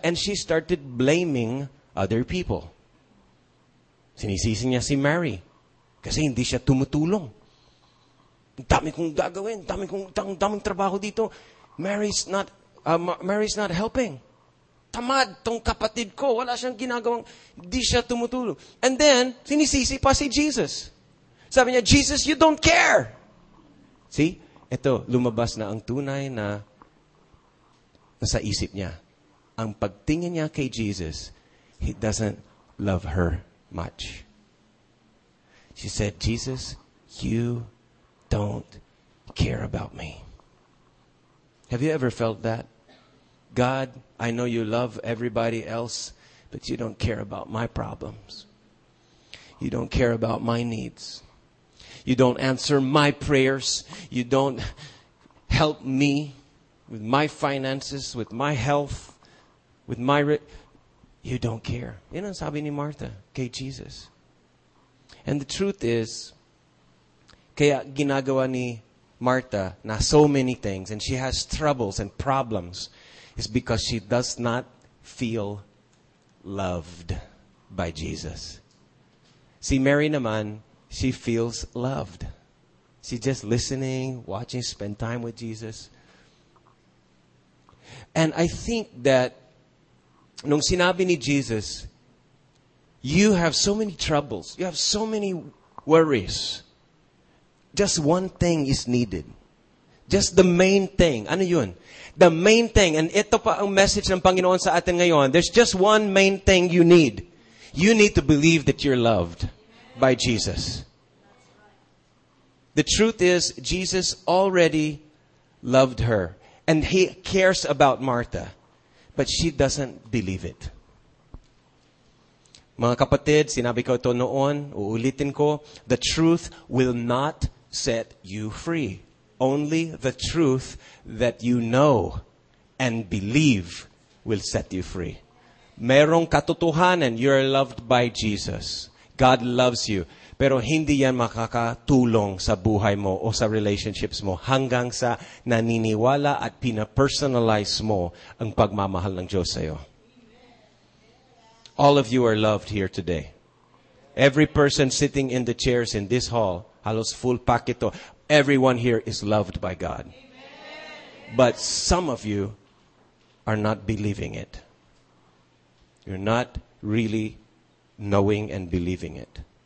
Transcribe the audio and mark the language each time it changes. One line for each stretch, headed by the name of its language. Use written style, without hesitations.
English: And she started blaming other people.
Filipino: Sinisisi niya si Mary. Kasi hindi siya tumutulong. Ang dami kong gagawin. Ang daming trabaho dito.
English: Mary's not helping.
Filipino: Tamad tong kapatid ko. Wala siyang ginagawang. Hindi siya tumutulong.
English: And then,
Filipino: sinisisi pa si Jesus. Sabi niya,
English: Jesus, you don't care. See?
Filipino: Ito, lumabas na ang tunay na sa isip niya. Ang pagtingin niya kay
English: Jesus, he doesn't love her much. She said, Jesus, you don't care about me. Have you ever felt that? God, I know you love everybody else, but you don't care about my problems. You don't care about my needs. You don't answer my prayers. You don't help me with my finances, with my health, with my... You don't care.
Filipino: Yan ang sabi ni Martha kay Jesus.
English: And the truth is,
Filipino: kaya ginagawa ni Martha na
English: so many things, and she has troubles and problems, is because she does not feel loved by Jesus. See, Mary naman, she feels loved. She's just listening, watching, spend time with Jesus. And I think that
Filipino: nung sinabi ni
English: Jesus, you have so many troubles, you have so many worries. Just one thing is needed. Just the main thing.
Filipino: Ano yun?
English: The main thing.
Filipino: And ito pa ang message ng Panginoon sa atin ngayon.
English: There's just one main thing you need. You need to believe that you're loved by Jesus. The truth is, Jesus already loved her. And he cares about Martha. But she doesn't believe it.
Filipino: Mga kapatid, sinabi ko ito noon, uulitin ko,
English: the truth will not set you free. Only the truth that you know and believe will set you free.
Filipino: Merong katotohanan,
English: you are loved by Jesus. God loves you.
Filipino: Pero hindi yan makakatulong sa buhay mo o sa relationships mo hanggang sa naniniwala at pina-personalize mo ang pagmamahal ng Diyos sa'yo.
English: All of you are loved here today. Every person sitting in the chairs in this hall,
Filipino: halos full pack ito,
English: everyone here is loved by God. But some of you are not believing it. You're not really knowing and believing it.